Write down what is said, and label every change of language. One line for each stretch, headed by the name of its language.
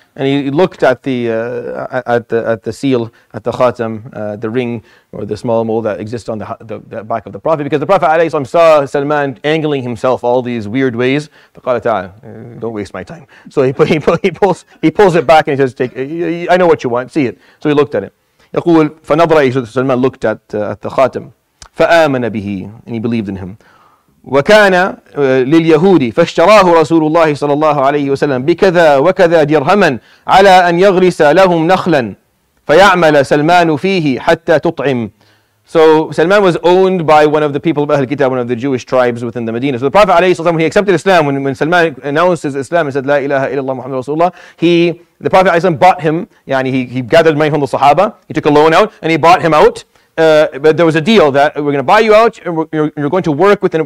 English: And he looked at the seal, at the khatam, the ring, or the small mole that exists on the back of the Prophet, because the Prophet ﷺ saw Salman angling himself all these weird ways.
Arabic: فَقَالَ تَعَالَ,
English: don't waste my time. So he pulls it back and he says, "Take, I know what you want, see it." So he looked at it.
Arabic: يَقُولُ فَنَظْرَ إِلَيْهِ.
English: Salman looked at the khatam.
Arabic: فَآمَنَ بِهِ,
English: and he believed in him.
Arabic: وكان لليهود فاشتراه رسول الله صلى الله عليه وسلم بكذا وكذا درهما على أن يغرس لهم نخلا فيعمل سلمان فيه حتى تطعم.
English: So Salman was owned by one of the people of Ahl Kitab, one of the Jewish tribes within the Medina. So the Prophet عليه الصلاة والسلام, when he accepted Islam, when Salman announced his Islam and said, La ilaha illallah Muhammad Rasulullah, the Prophet عليه الصلاة والسلام bought him, he gathered money from the Sahaba, he took a loan out and he bought him out. But there was a deal that we're going to buy you out, and you're going to work within it.